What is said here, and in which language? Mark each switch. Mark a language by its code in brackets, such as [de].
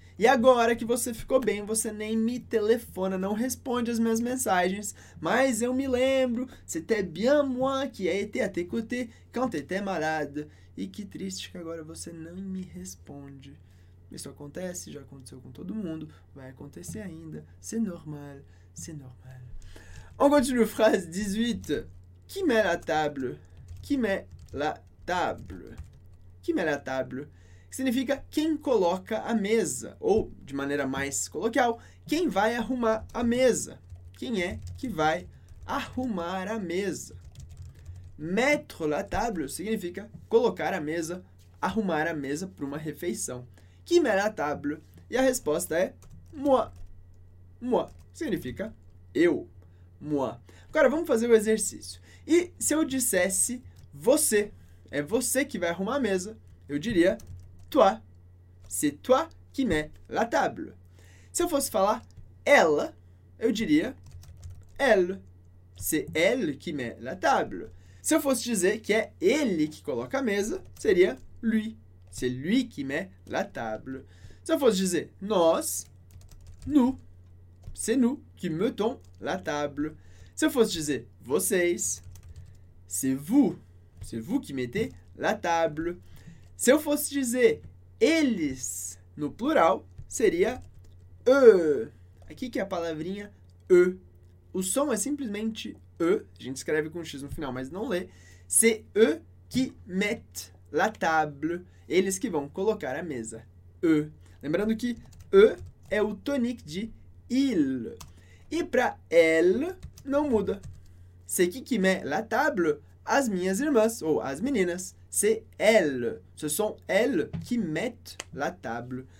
[pt] E agora que você ficou bem, você nem me telefona, não responde as minhas mensagens, mas eu me lembro, [fr] c'était bien moi qui ai été à tes côtés quand tu étais malade. [pt] E que triste que agora você não me responde. Isso acontece, já aconteceu com todo mundo, vai acontecer ainda. [fr] C'est normal, c'est normal. On continue, phrase 18. Qui met la table? Qui met la table? Qui met la table? [pt] significa quem coloca a mesa, ou de maneira mais coloquial, quem vai arrumar a mesa. Quem é que vai arrumar a mesa? Mettre la table significa colocar a mesa, arrumar a mesa para uma refeição. [fr] Qui met la table? [pt] E a resposta é moi. Moi significa eu. Moi. Agora vamos fazer o exercício. E se eu dissesse você, é você que vai arrumar a mesa, eu diria toi. [fr] C'est toi qui mets la table. [pt] Se eu fosse falar ela, eu diria elle. [fr] C'est elle qui met la table. [pt] Se eu fosse dizer que é ele que coloca a mesa, seria lui. [fr] C'est lui qui met la table. [pt] Se eu fosse dizer nós, nous. [fr] C'est nous qui mettons la table. [pt] Se eu fosse dizer vocês, [fr] c'est vous qui mettez la table. [pt] Se eu fosse dizer eles no plural, seria eux. Aqui que é a palavrinha eux. O som é simplesmente e, a gente escreve com um X no final, mas não lê. [fr] C'est eux qui mettent la table. [pt] Eles que vão colocar a mesa. E. Lembrando que e é o tonique de il. E para elle, não muda. [fr] C'est qui met la table? [pt] As minhas irmãs, ou as meninas. [fr] C'est elle. Ce sont elles qui mettent la table.